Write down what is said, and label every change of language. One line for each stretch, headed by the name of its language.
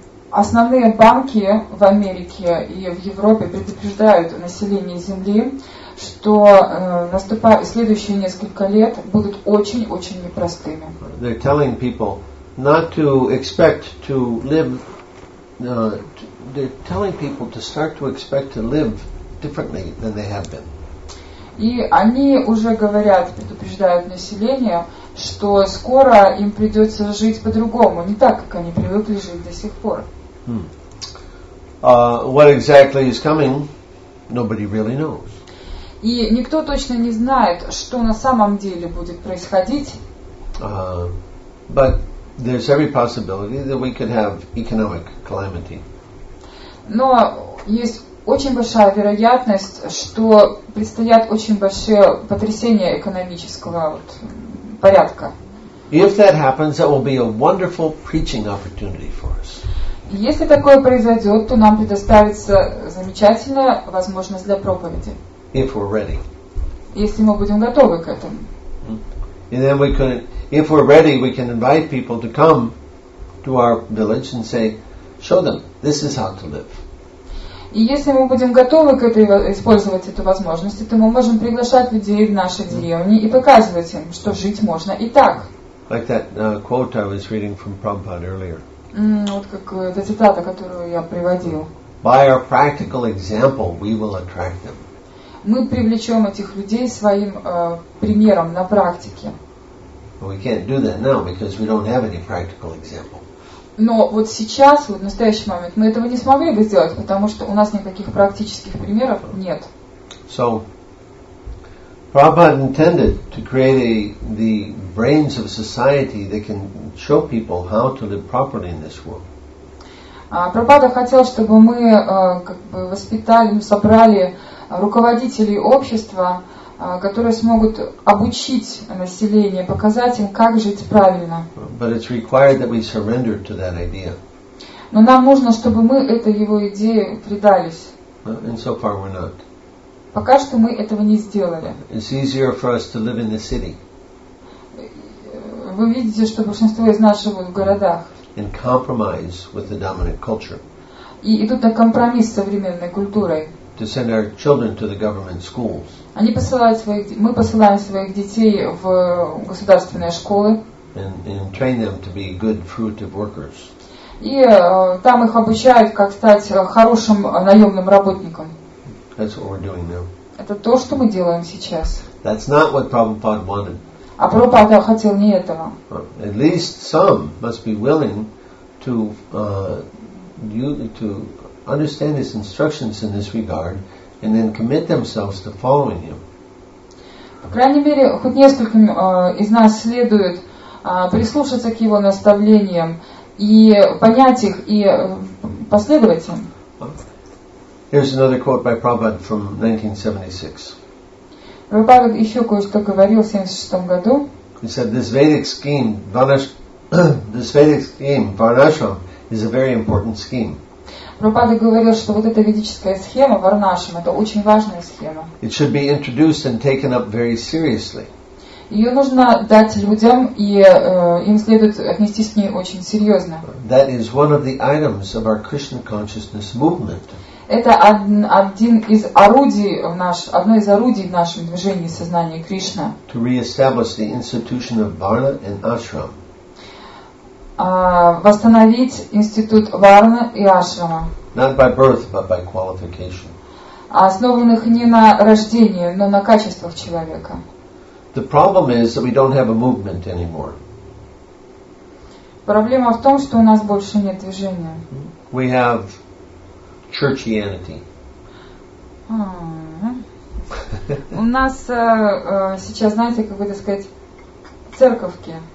Russian: Основные банки в Америке и в Европе предупреждают население Земли, что следующие несколько лет будут очень-очень непростыми.
English: They're telling people not to expect to live. They're telling people to start to expect to live differently than they have been.
Russian: И они уже говорят, предупреждают население, что скоро им придется жить по-другому, не так, как они привыкли жить до сих пор.
English: What exactly is coming, nobody really knows.
Russian: И никто точно не знает, что на самом деле будет происходить.
English: But there's every possibility that we could have economic calamity.
Russian: Но есть очень большая вероятность, что предстоят очень большие потрясения экономического вот, порядка.
English: If that happens, that will be a wonderful preaching opportunity for us.
Russian: Если такое произойдет, то нам предоставится замечательная возможность для проповеди.
English: If we're ready.
Russian: Если мы будем готовы к этому.
English: And then we can, if we're ready, we can invite people to come to our village and say, show them, this is how to live.
Russian: И если мы будем готовы к этой, использовать эту возможность, то мы можем приглашать людей в наши деревни и показывать им, что жить можно и так.
English: Like that quote I was reading from Prabhupada earlier.
Russian: Вот как эта цитата, которую я приводил.
English: By our practical example, we will attract them.
Russian: Мы привлечем этих людей своим примером на практике.
English: But we can't do that now because we don't have any practical example.
Russian: Но вот сейчас, вот в настоящий момент, мы этого не смогли бы сделать, потому что у нас никаких практических примеров нет.
English: So, Prabhupada intended to create the brains of society that can show people how to live properly in this world.
Russian: Прабхупада хотел, чтобы мы как бы воспитали, собрали руководителей общества, которые смогут обучить население, показать им, как жить правильно.
English: But it's required that we surrender to that idea.
Russian: Но нам нужно, чтобы мы этой его идее предались.
English: And so far we're not.
Russian: Пока что мы этого не сделали.
English: It's easier for us to live in the city.
Russian: Вы видите, что большинство из нас живут в городах.
English: And compromise with the dominant culture.
Russian: И идут на компромисс с современной культурой.
English: To send our children to the government schools.
Russian: Они посылают своих, мы посылаем своих детей в государственные школы.
English: And train them to be good fruitive workers.
Russian: И там их обучают, как стать хорошим наемным работником.
English: That's what we're doing now.
Russian: Это то, что мы делаем сейчас.
English: That's not what Prabhupada wanted.
Russian: А Прабхупада хотел не этого.
English: At least some must be willing to to understand his instructions in this regard, and then commit themselves to following him.
Russian: По крайней мере, хоть несколько из нас следует прислушаться к его наставлениям и понять их и последовать им.
English: Here's another quote by Prabhupada from 1976.
Russian: Прабхупада еще кое-что говорил в 76 году.
English: He said this Vedic scheme, Varnashram, is a very important scheme.
Russian: Прабхупада говорил, что вот эта ведическая схема Варнашрам это очень важная схема.
English: It should be introduced and taken up very seriously.
Russian: Ее нужно дать людям, и им следует отнестись к ней очень серьезно.
English: That is one of the items of our Krishna consciousness movement.
Russian: Это один из орудий в одно из орудий в нашем движении сознания Кришна.
English: To reestablish the institution of Varna and Ashram.
Russian: Восстановить институт Варна и Ашрама.
English: Not by birth, but by qualification.
Russian: Основанных не на рождении, но на качествах человека.
English: The problem is that we don't have a movement anymore.
Russian: Проблема в том, что у нас больше нет движения.
English: We have churchianity.
Russian: У нас сейчас, знаете, как бы это сказать, церковки.